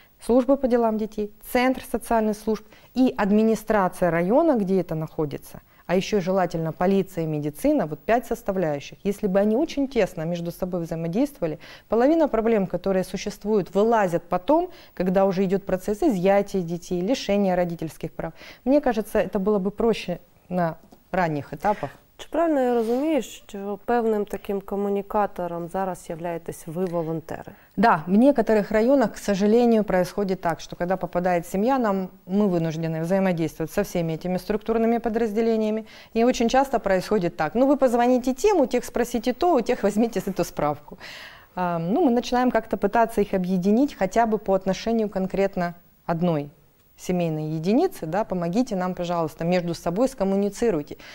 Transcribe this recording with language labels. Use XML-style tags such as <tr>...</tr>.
<ru>служба по делам детей, центр социальных служб и администрация района, где это находится, а еще желательно полиция и медицина, вот пять составляющих. Если бы они очень тесно между собой взаимодействовали, половина проблем, которые существуют, вылазят потом, когда уже идет процесс изъятия детей, лишения родительских прав. Мне кажется, это было бы проще на ранних этапах.</ru> <uk>Чи правильно я розумію, що певним таким комунікатором зараз являєтесь ви, волонтери?</uk> <ru>Да, в некоторых районах, к сожалению, происходит так, что когда попадает семья, нам мы вынуждены взаимодействовать со всеми этими структурными подразделениями. И очень часто происходит так. Ну, вы позвоните тем, у тех спросите то, у тех возьмите эту справку. Ну, мы начинаем как-то пытаться их объединить хотя бы по отношению конкретно одной семейные единицы, да, помогите нам, пожалуйста, между собой скоммуницируйте.</ru>